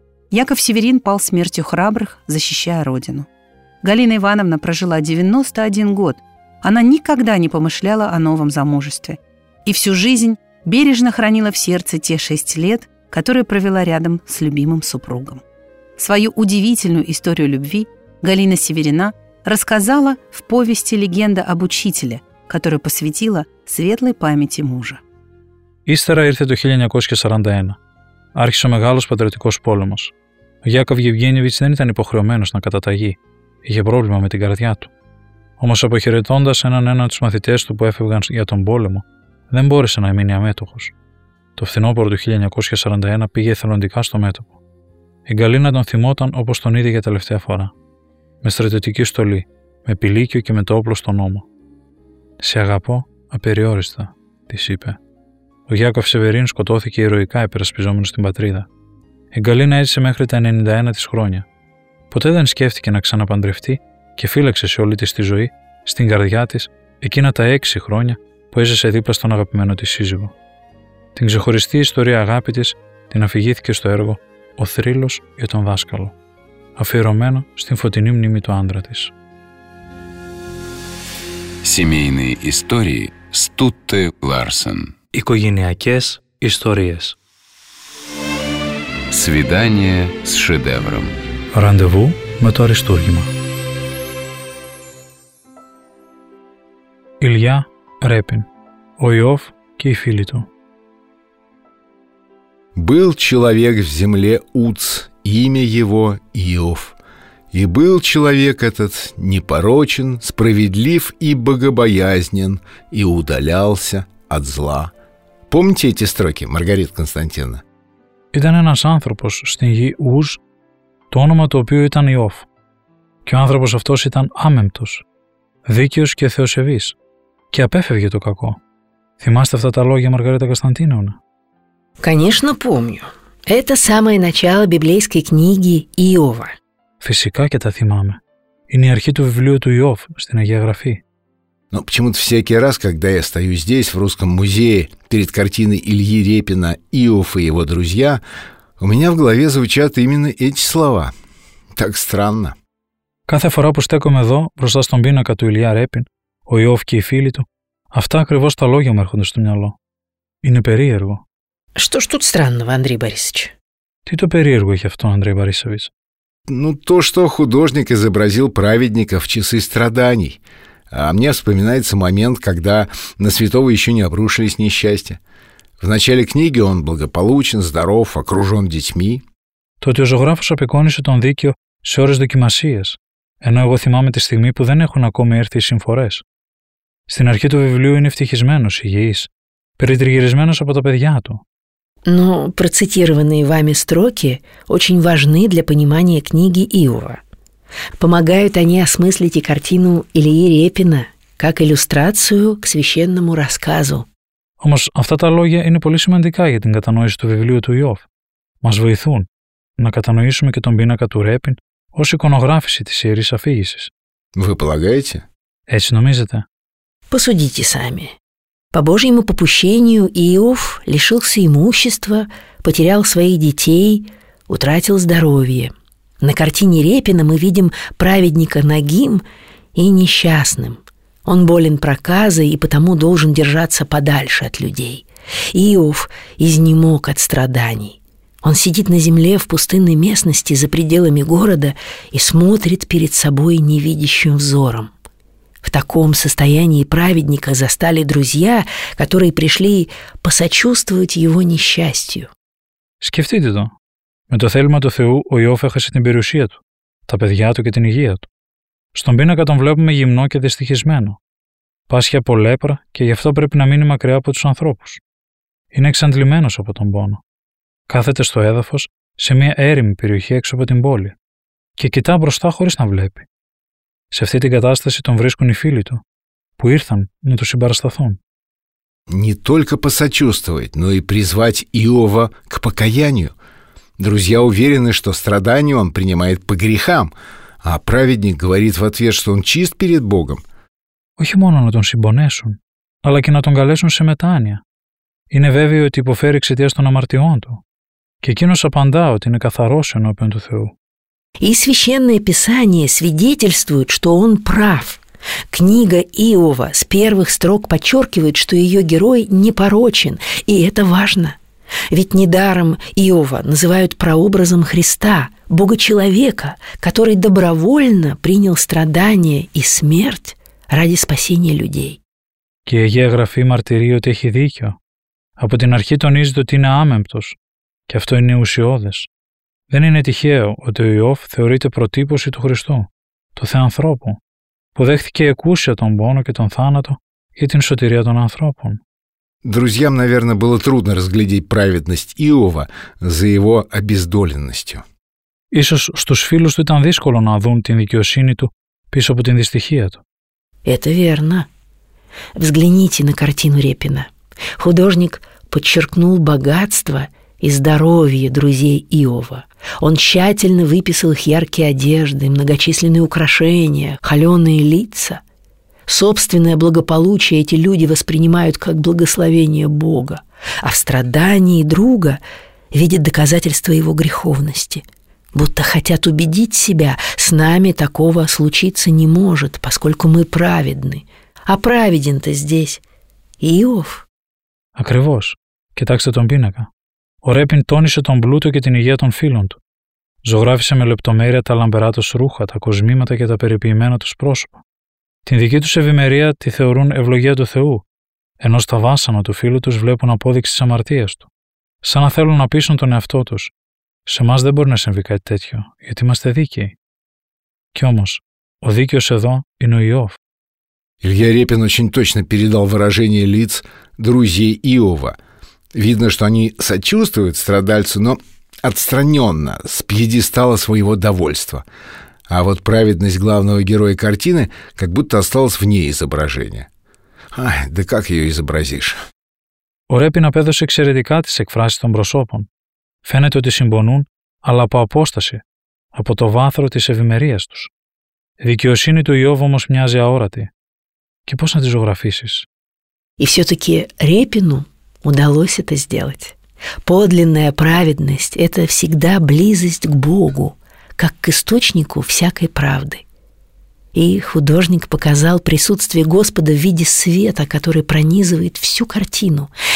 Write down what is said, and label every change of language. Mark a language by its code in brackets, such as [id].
[ru] Яков Северин пал смертью храбрых, защищая родину. Галина Ивановна прожила 91 год, Она никогда не помышляла о новом замужестве и всю жизнь бережно хранила в сердце те 6 лет, которые провела рядом с любимым супругом. Свою удивительную историю любви Галина Северина рассказала в повести «Легенда об учителе», которую посвятила светлой памяти мужа. [el] Ύστερα ήρθε το 1941. Άρχισε ο μεγάλος πατριωτικός πόλεμος. Ο Γιάκοβ Γευγένιεβιτς δεν ήταν υποχρεωμένος να καταταγεί. Είχε πρόβλημα με την καρδιά του. Όμως αποχαιρετώντας έναν τους μαθητές του που έφευγαν για τον πόλεμο, δεν μπόρεσε να μείνει αμέτωχος. Το φθινόπωρο του 1941 πήγε εθελοντικά στο μέτωπο. Η Γκαλίνα τον θυμόταν όπως τον είδε για τελευταία φορά. Με στρατιωτική στολή, με πιλίκιο και με το όπλο στον ώμο. «Σε αγαπώ απεριόριστα», της είπε. Ο Γιάκοβ Σεβερίν σκοτώθηκε ηρωικά υπερασπιζόμενος στην πατρίδα. Η Γκαλίνα έζησε μέχρι τα 91 της χρόνια. Ποτέ δεν σκέφτηκε να ξαναπαντρευτεί. Και φύλαξε σε όλη της τη ζωή, στην καρδιά της, εκείνα τα 6 χρόνια που έζησε δίπλα στον αγαπημένο της σύζυγο. Την ξεχωριστή ιστορία αγάπη της την αφηγήθηκε στο έργο «Ο θρύλος για τον δάσκαλο», αφιερωμένο στην φωτεινή μνήμη του άντρα της. [ru] Семейные истории Стутте Ларсен. [el] Οικογενειακές ιστορίες. [ru] Свидание с шедевром. [el] Ραντεβού με το αριστούργημα. Ηλιά, Ρέπιν, ο Ιώφ και οι φίλοι του. [ru] Был человек в земле Уц, имя его Иов. И был человек этот непорочен, справедлив и богобоязнен, и удалялся от зла. Помните эти строки, Маргарита Константиновна? [el] Ήταν ένας άνθρωπος στην γη Ουζ, το όνομα του οποίου ήταν Ιώβ. Και ο άνθρωπος αυτός ήταν άμεμπτος, δίκαιος και θεοσεβής και απέφευγε το κακό. Θυμάστε αυτά τα λόγια, Μαργαρίτα Κωνσταντίνοβνα? [ru] Конечно, помню. Это самое начало библейской книги Иова. [el] Φυσικά και τα θυμάμαι. Είναι η αρχή του βιβλίου του Ιώβ στην Αγία Γραφή. [ru] Но почему-то всякий раз, когда я стою здесь, в Русском музее, перед картиной Ильи Репина «Иов и его друзья», у меня в голове звучат именно эти слова. Так странно. [el] Κάθε φορά που στέκομαι εδώ, μπροστά στον πίνακα του Ηλία Ρέπιν, ο Ιώβ και οι φίλοι του, αυτά ακριβώς τα λόγια μου έρχονται στο μυαλό. Είναι περίεργο. [ru] Что ж тут странного, Андрей Борисович? [el] Τι το περίεργο έχει αυτό, Андрей Борисович? [ru] Ну, то, что художник изобразил праведника в часы страданий. А мне вспоминается момент, когда на святого еще не обрушились несчастья. В начале книги он благополучен, здоров, окружен детьми. [el] Тот ζωγράφος απεικόνισε τον δίκαιο σε ώρες δοκιμασίας, ενώ εγώ θυμάμαι τη στιγμή που δεν έχουν ακόμη έρθει οι συμφορές. Στην αρχή του βιβλίου είναι ευτυχισμένος, υγιής, περιτριγυρισμένος από τα παιδιά του. [ru] Но процитированные вами строки очень важны для понимания книги Иова. Помогают они осмыслить и картину Ильи Репина как иллюстрацию к священному рассказу. [el] Όμως αυτά τα λόγια είναι πολύ σημαντικά για την κατανόηση του βιβλίου του Ιώβ. Μας βοηθούν να κατανοήσουμε και τον πίνακα του Ρέπιν ως εικονογράφηση της Ιερής Αφήγησης. [ru] Вы полагаете? [el] Έτσι νομίζετε? [ru] Посудите сами. По Божьему попущению Иов лишился имущества, потерял своих детей, утратил здоровье. На картине Репина мы видим праведника нагим и несчастным. Он болен проказой и потому должен держаться подальше от людей. Иов изнемог от страданий. Он сидит на земле в пустынной местности за пределами города и смотрит перед собой невидящим взором. В таком состоянии праведника застали друзья, которые пришли посочувствовать его несчастью. [el] Скифтите то. Με το θέλημα του Θεού, ο Ιώβ έχασε την περιουσία του, τα παιδιά του και την υγεία του. Στον πίνακα τον βλέπουμε γυμνό και δυστυχισμένο. Πάσχει από λέπρα και γι' αυτό πρέπει να μείνει μακριά από τους ανθρώπους. Είναι εξαντλημένος από τον πόνο. Κάθεται στο έδαφος, σε μια έρημη περιοχή έξω από την πόλη. Και κοιτά μπροστά χωρίς να βλέπει. Σε αυτή την κατάσταση τον βρίσκουν οι φίλοι του, που ήρθαν να του συμπαρασταθούν. [ru] Не только посочувствовать, но и призвать Иова к покаянию. Друзья уверены, что страдания он принимает по грехам, а праведник говорит в ответ, что он чист перед Богом. [el] Όχι μόνο να τον συμπονέσουν, αλλά και να τον καλέσουν σε μετάνοια. Είναι βέβαιο ότι υποφέρει εξαιτίας των αμαρτιών του. Και εκείνος απαντά ότι είναι καθαρός ενώπιον του Θεού. [ru] И священное писание свидетельствует, что он прав. Книга Иова с первых строк подчеркивает, что ее герой непорочен, и это важно. Ведь недаром Иова называют прообразом Христа, Бога-человека, который добровольно принял страдания и смерть ради спасения людей. [el] Και η Αγία Γραφή μαρτυρεί ότι έχει δίκιο. Από την αρχή τονίζεται ότι είναι άμεμπτος, και αυτό είναι ουσιώδες. Δεν είναι τυχαίο ότι ο Ιώβ θεωρείται προτύπωση του Χριστού, του Θεανθρώπου, που δέχθηκε εκούσια τον πόνο και τον θάνατο για την σωτηρία των ανθρώπων. [ru] Друзьям, наверное, было трудно разглядеть праведность Иова за его обездоленностью. [el] Ίσως στους φίλους του ήταν δύσκολο να δουν την δικαιοσύνη του πίσω από την δυστυχία του. [ru] Это верно. Взгляните на картину Репина. Художник подчеркнул богатство и здоровье друзей Иова. Он тщательно выписал их яркие одежды, многочисленные украшения, холеные лица. Собственное благополучие эти люди воспринимают как благословение Бога, а в страдании друга видят доказательство его греховности, будто хотят убедить себя, с нами такого случиться не может, поскольку мы праведны. А праведен-то здесь Иов. [el] Ακριβώς. Κοιτάξτε τον πίνακα. Ο Ρέπιν τόνισε τον πλούτο και την υγεία των φίλων του. Ζωγράφισε με λεπτομέρεια τα λαμπερά τους ρούχα, τα κοσμήματα και τα περιποιημένα τους πρόσωπα. Την δική τους ευημερία τη θεωρούν ευλογία του Θεού, ενώ στα βάσανα του φίλου τους βλέπουν απόδειξη της αμαρτίας του. Σαν να θέλουν να πείσουν τον εαυτό τους. Σε εμάς δεν μπορεί να συμβεί κάτι τέτοιο, γιατί είμαστε δίκαιοι. Κι όμως, ο δίκαιος εδώ είναι ο Ιώβ. [ru] Илья Репин очень точно передал выражение лиц друзей Иова. Видно, что они сочувствуют страдальцу, но отстраненно, с пьедестала своего довольства. А вот праведность главного героя картины как будто осталась вне изображения. Ай, да как ее изобразишь? [el] Ο Ρέπιν απέδωσε εξαιρετικά τις εκφράσεις των προσώπων. Φαίνεται ότι συμπονούν, αλλά από απόσταση, από το βάθρο της ευημερίας τους. Η δικαιοσύνη του Ιώβ όμως μοιάζει αόρατη. Και πώς να τη ζωγραφίσεις? [ru] И все-таки Репину удалось это сделать. Подлинная праведность – это всегда близость к Богу, как к источнику всякой правды. И художник показал присутствие Господа в виде света, который пронизывает всю картину.